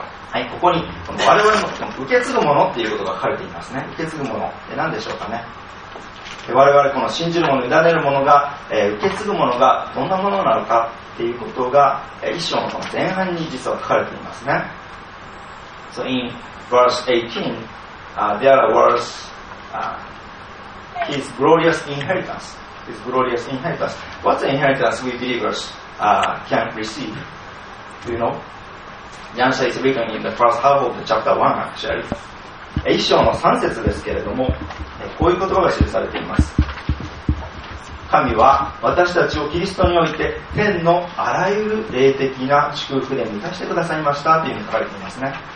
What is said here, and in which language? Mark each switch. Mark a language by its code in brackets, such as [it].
[ja] はい、ここに我々の受け継ぐものっていうことが書かれていますね。受け継ぐもの、何でしょうかね。我々この信じるもの、委ねるものが、受け継ぐものがどんなものなのかっていうことが、一章 の前半に実は書かれていますね。 [en] So in verse 18、there are words、His glorious inheritance. His glorious inheritance. What's the inheritance we believers can receive? Do you know? The answer is written in the first half of the chapter 1 actually. [ja] 一章の3節ですけれども、こういう言葉が記されています。神は私たちをキリストにおいて天のあらゆる霊的な祝福で満たしてくださいましたというふうに書かれていますね。